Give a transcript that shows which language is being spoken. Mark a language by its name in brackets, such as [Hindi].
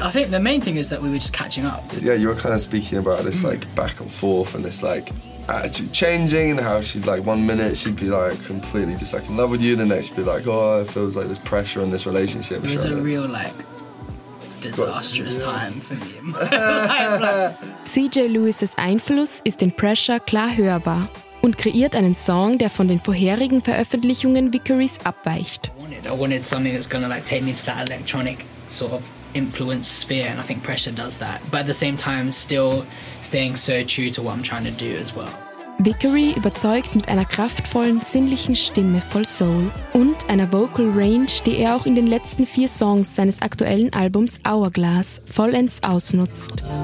[English] I think the main thing is that we were just catching up. Yeah, you were kind of speaking about this like back and forth and this like attitude changing and how she'd like one minute she'd be like completely just like in love with you, the next be like, oh, it feels like there's pressure on this relationship. It was a real like disastrous time for him. [German] CJ Lewis's Einfluss ist in Pressure klar hörbar. Und kreiert einen Song, der von den vorherigen Veröffentlichungen Vickery's abweicht. [English] I wanted something that's gonna like take me to that electronic sort of influence sphere, and I think Pressure does that. But at the same time, still staying so true to what I'm trying to do as well. [German] Vickery überzeugt mit einer kraftvollen, sinnlichen Stimme voll Soul und einer Vocal Range, die er auch in den letzten vier Songs seines aktuellen Albums Hourglass vollends ausnutzt.